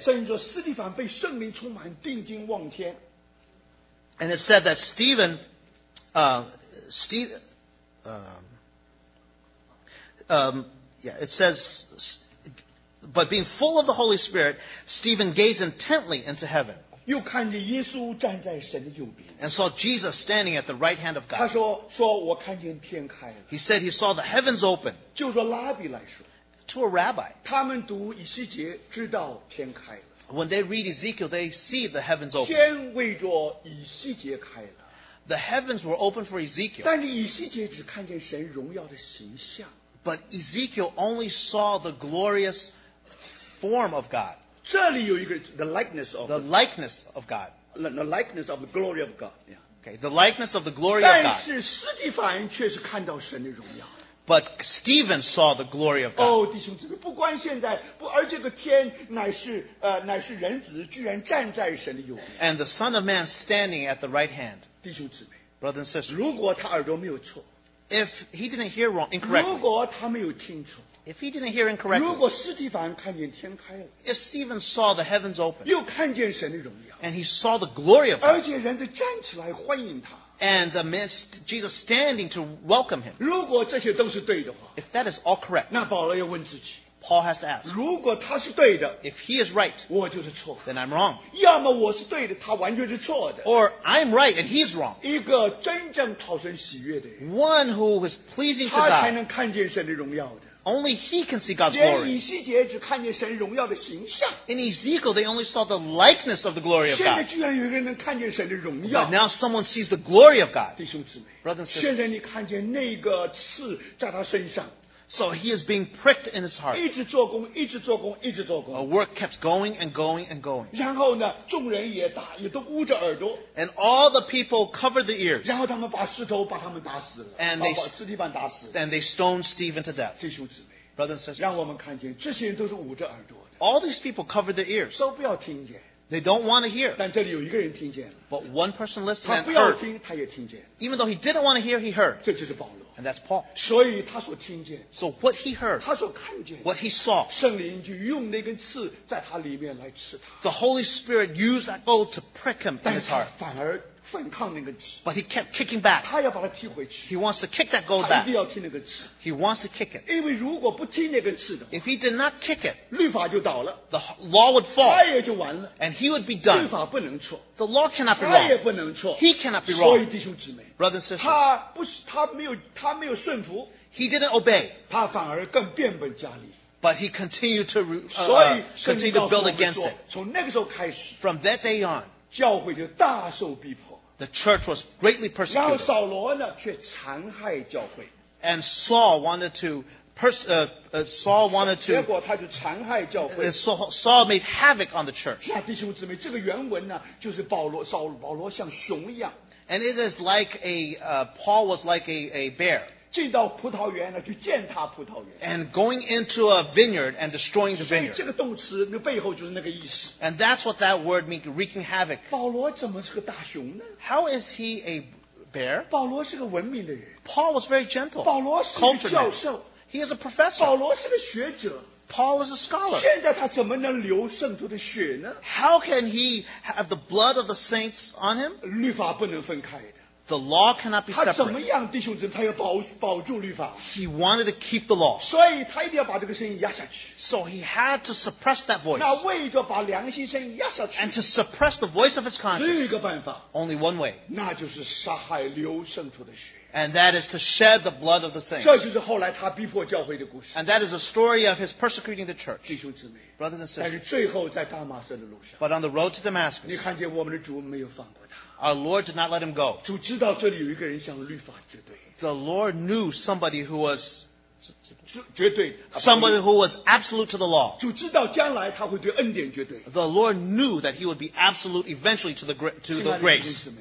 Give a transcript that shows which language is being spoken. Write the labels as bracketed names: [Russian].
[Chinese] 圣经说斯蒂凡被圣灵充满，定睛望天。 [English] And it said that Stephen, it says, but being full of the Holy Spirit, Stephen gazed intently into heaven. [Chinese] 又看见耶稣站在神的右边。 [English] And saw Jesus standing at the right hand of God. [Chinese] 他说，说我看见天开了。 [English] He said he saw the heavens open. [Chinese] 就说拉比来说。 [English] To a rabbi. [Chinese] 他们读以西结，知道天开了。 [English] When they read Ezekiel, they see the heavens open. [Chinese] 天为着以西结开了。 [English] The heavens were open for Ezekiel. [Chinese] 但是以西结只看见神荣耀的形象。 [English] But Ezekiel only saw the glorious form of God. [Chinese] 这里有一个 [English] the likeness of the likeness of God. The likeness of the glory of God. Yeah. Okay, the likeness of the glory of God. [Chinese] 但是斯蒂凡却是看到神的荣耀。 [English] But Stephen saw the glory of God. [Chinese] Oh, 弟兄姊妹，不光现在，不而这个天乃是乃是人子，居然站在神的右边。 [English] And the Son of Man standing at the right hand. [Chinese] 弟兄姊妹 [English] ，brothers and sisters. [Chinese] 如果他耳朵没有错 [English] ，if he didn't hear wrong incorrectly. [Chinese] 如果他没有听错 [English] ，if he didn't hear incorrectly. [Chinese] 如果斯蒂凡看见天开了 [English] ，if Stephen saw the heavens open. [Chinese] 又看见神的荣耀 [English] ，and he saw the glory of God. [Chinese] 而且人子站起来欢迎他。 [English] And amidst Jesus standing to welcome him. [Chinese] 如果这些都是对的话 [English] if that is all correct, [Chinese] 那保罗要问自己 [English] Paul has to ask. [Chinese] 如果他是对的 [English] if he is right, [Chinese] 我就是错 [English] then I'm wrong. [Chinese] 要么我是对的，他完全是错的 [English] or I'm right and he's wrong. [Chinese] 一个真正讨神喜悦的人 [English] one who is pleasing to God, [Chinese] 他才能看见神的荣耀的 [English] only he can see God's glory. [Chinese] 连以西结只看见神荣耀的形象 [English] in Ezekiel they only saw the likeness of the glory of God. [Chinese] 现在居然有人能看见神的荣耀 [English] but now someone sees the glory of God. [Chinese] 弟兄姊妹 [English] brothers and sisters. [Chinese] 现在你看见那个刺在他身上 [English] so he is being pricked in his heart. [Chinese] 一直做工，一直做工，一直做工 [English] a work kept going and going and going. [Chinese] 然后呢，众人也打，也都捂着耳朵 [English] and all the people covered the ears. [Chinese] 然后他们把石头把他们打死了 [English] and they [Chinese] 把斯蒂凡打死了 [English] and they stoned Stephen to death. [Chinese] 弟兄姊妹 [English] Brothers and sisters, [Chinese] 让我们看见这些人都是捂着耳朵的。 [English] All these people covered their ears. [Chinese] 都不要听见。 [English] They don't want to hear. [Chinese] 但这里有一个人听见了。 [English] But one person listened and [Chinese] 他不要听，他也听见。 [English] Even though he didn't want to hear, he heard. [Chinese] 这就是保罗。 [English] And that's Paul. [Chinese] 所以他所听见。 [English] So what he heard. [Chinese] 他所看见。 [English] What he saw. [Chinese] 圣灵就用那根刺在他里面来刺他。 [English] The Holy Spirit used that gold to prick him in his heart. [Chinese] 但是反而反抗那个刺。 [English] But he kept kicking back. [Chinese] 他要把他踢回去。 [English] He wants to kick that gold back. [Chinese] 他一定要踢那个刺。 [English] He wants to kick it. [Chinese] 因为如果不踢那根刺的话 [English] If he did not kick it, [Chinese] 律法就倒了。 [English] The law would fall. [Chinese] 他也就完了。 [English] And he would be done. [Chinese] 律法不能错。 [English] The law cannot be wrong. [Chinese] 他也不能错。 [English] He cannot be wrong. [Chinese] 所以弟兄姊妹 [English] Brothers and sisters. [Chinese] 他没有顺服。 [English] He didn't obey. [Chinese] 他反而更变本加厉。 [English] But he continued to, continue to build against it. [Chinese] 从那个时候开始 [English] From that day on, [Chinese] 教会就大受逼迫。 [English] The church was greatly persecuted. [Chinese] 然后扫罗呢，却残害教会。 [English] And Saul wanted to Saul wanted to. [Chinese] 结果他就残害教会。 [English] Saul made havoc on the church. [Chinese] 那弟兄姊妹，这个原文呢，就是保罗像熊一样。 [English] And it is like a Paul was like a bear. [Chinese] 进到葡萄园呢，去践踏葡萄园。 [English] And going into a vineyard and destroying the vineyard. [Chinese] 这个动词那背后就是那个意思。 [English] And that's what that word means, wreaking havoc. [Chinese] 保罗怎么是个大熊呢 [English] ？How is he a bear? [Chinese] 保罗是个文明的人。 [English] Paul was very gentle. [Chinese] 保罗是个教授。 [English] He is a professor. [Chinese] 保罗是个学者。 [English] Paul is a scholar. [Chinese] 现在他怎么能流圣徒的血呢 [English] ？How can he have the blood of the saints on him? [Chinese] 律法不能分开的。 [English] The law cannot be separate. [Chinese] 他怎么样，弟兄姊妹，他要保住律法。 [English] He wanted to keep the law. [Chinese] 所以他一定要把这个声音压下去。 [English] So he had to suppress that voice. [Chinese] 那为着把良心声音压下去。 [English] And to suppress the voice of his conscience. [Chinese] 只有一个办法。 [English] Only one way. [Chinese] 那就是杀害流圣徒的血。 [English] And that is to shed the blood of the saints. [Chinese] 这就是后来他逼迫教会的故事。 [English] And that is a story of his persecuting the church. [Chinese] 弟兄姊妹 [English] brothers and sisters. [Chinese] 但是最后在大马色的路上。 [English] But on the road to Damascus. [Chinese] 你看见我们的主没有放过他。 [English] Our Lord did not let him go. [Chinese] 主知道这里有一个人向律法绝对。 [English] The Lord knew somebody who was [Chinese] 绝对。 [English] Somebody who was absolute to the law. [Chinese] 主知道将来他会对恩典绝对。 [English] The Lord knew that he would be absolute eventually to the grace.